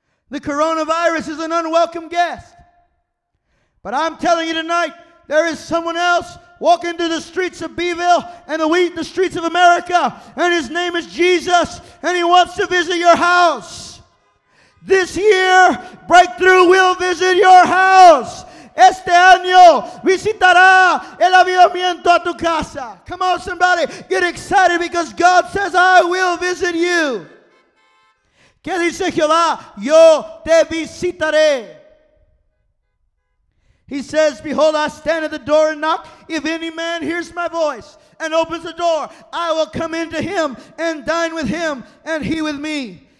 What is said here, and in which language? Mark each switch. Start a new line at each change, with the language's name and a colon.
English: The coronavirus is an unwelcome guest. But I'm telling you tonight, there is someone else walking through the streets of Beeville and the streets of America, and his name is Jesus, and he wants to visit your house. This year, Breakthrough will visit your house.
Spanish: Este año visitará el avivamiento a tu casa.
English: Come on, somebody. Get excited because God says, I will visit you.
Spanish: ¿Qué dice Jehová? Yo te visitaré.
English: He says, behold, I stand at the door and knock. If any man hears my voice and opens the door, I will come into him and dine with him and he with me.